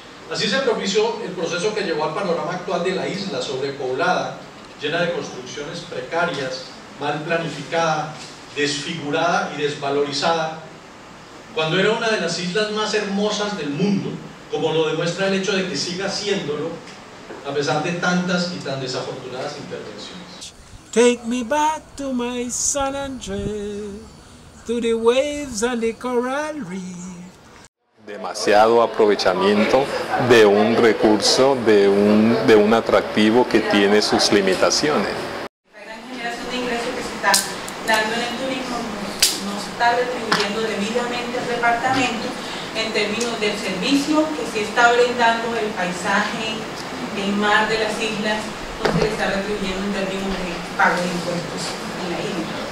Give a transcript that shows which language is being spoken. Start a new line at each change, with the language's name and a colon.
Spanish: Así se propició el proceso que llevó al panorama actual de la isla sobrepoblada, llena de construcciones precarias, mal planificada, desfigurada y desvalorizada, cuando era una de las islas más hermosas del mundo, como lo demuestra el hecho de que siga siéndolo, a pesar de tantas y tan desafortunadas intervenciones.
English: Take me back to my San Andrés, to the waves and the coral reef.
Spanish: Demasiado aprovechamiento de un recurso, de un atractivo que tiene sus limitaciones. La gran generación de ingresos que se está dando en el turismo no se está retribuyendo debidamente al departamento en términos del servicio que se está brindando, el paisaje, el mar de las islas, no se está retribuyendo en términos de pago de impuestos en la isla.